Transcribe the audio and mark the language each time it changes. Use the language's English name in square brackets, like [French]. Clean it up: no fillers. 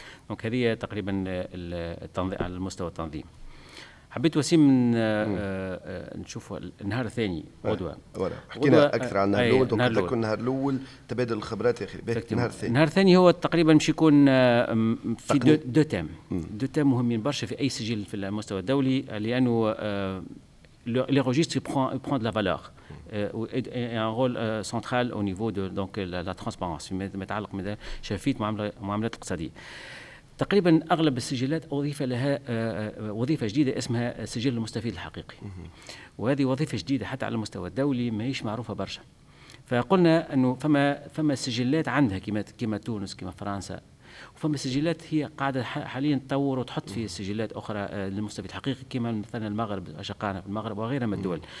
[Arabic] دونك هذه تقريبا التنظيم على المستوى التنظيم. حبيت وسيم نشوف النهار الثاني غدوة. حكينا أكثر عن النهار الأول. دونك تكون النهار الأول تبادل الخبرات يا أخي. النهار الثاني. النهار الثاني هو تقريبا مش يكون في دو تام. دو تام مهمين برشا في أي سجل في المستوى الدولي، لأنه [French] les registres prend de la valeur et un rôle central au niveau de donc la transparence. [Arabic] متعلق مدى شفافية معاملات اقتصادية. تقريبا اغلب السجلات اضيف لها وظيفه جديده اسمها سجل المستفيد الحقيقي، وهذه وظيفه جديده حتى على المستوى الدولي ماهيش معروفه برشا. فقلنا انه فما سجلات عندها كما تونس كما فرنسا، وفما سجلات هي قاعده حاليا تطور وتحط في سجلات اخرى للمستفيد الحقيقي كما مثلا المغرب، اشقائنا في المغرب وغيرها من الدول.